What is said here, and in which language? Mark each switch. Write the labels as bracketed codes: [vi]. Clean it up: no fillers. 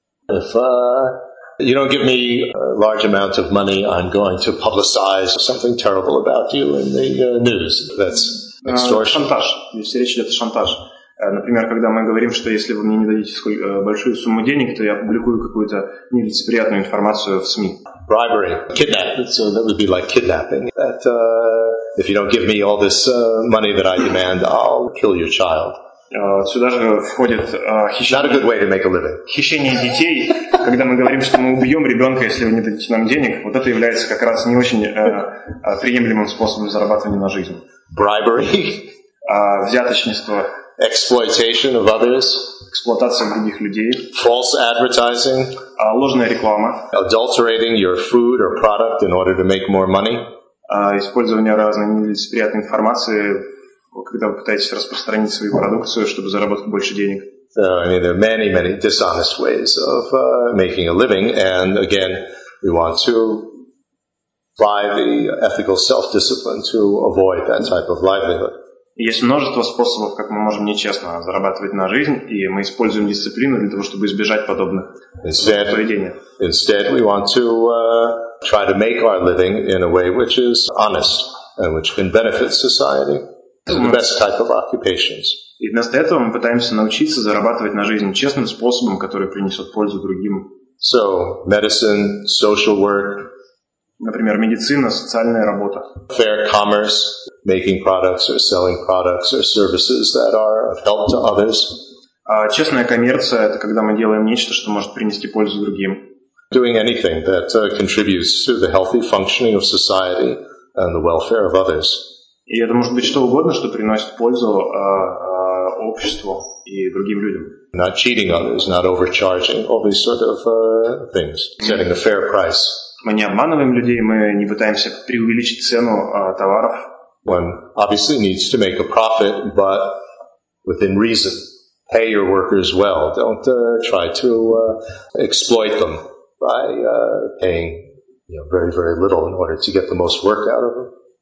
[en] If you don't give me a large amount of money, I'm going to publicize something terrible about you in the news. That's extortion. [ru] Шантаж. Если речь идет о шантаже. Например, когда мы говорим, что если вы мне не дадите большую сумму денег, то я опубликую какую-то нелицеприятную информацию в СМИ. [en] Bribery, kidnapping. So that would be like kidnapping. That if you don't give me all this money that I demand, I'll kill your child. [ru] Сюда же входит хищение. [en] Not a good way to make a living. [ru] Хищение детей. Когда мы говорим, что мы убьем ребенка, если вы не дадите нам денег, вот это является как раз не очень приемлемым способом зарабатывания на жизнь. [en] Bribery. [ru] Взяточничество. [en] Exploitation of others. [ru] Эксплуатация других людей. [en] False advertising. [ru] Ложная реклама. [en] Adulterating your food or product in order to make more money. [ru] Использование разной нелицеприятной информации, когда вы пытаетесь распространить свою продукцию, чтобы заработать больше денег. [en] There are many, many dishonest ways of making a living, and again, we want to apply the ethical self-discipline to avoid that type of livelihood. [ru] Есть множество способов, как мы можем нечестно зарабатывать на жизнь, и мы используем дисциплину для того, чтобы избежать подобных поведения. [en] Instead, we want to try to make our living in a way which is honest and which can benefit society. The best type of occupations. [ru] И вместо этого мы пытаемся научиться зарабатывать на жизнь честным способом, который принесет пользу другим. [en] So, medicine, social work. [ru] Например, медицина, социальная работа. [en] Fair commerce, making products or selling products or services that are of help to others. [ru] Честная коммерция — это когда мы делаем нечто, что может принести пользу другим. [en] Doing anything that contributes to the healthy functioning of society and the welfare of others. [ru] И это может быть что угодно, что приносит пользу обществу и другим людям. [en] Not cheating others, not overcharging, all these sort of things, setting a fair price. [ru] Мы не обманываем людей, мы не пытаемся преувеличить цену товаров. [en] One obviously needs to make a profit, but within reason. Pay your workers well. Don't try to exploit them by paying, you know, very, very little in order to get the most work out of them.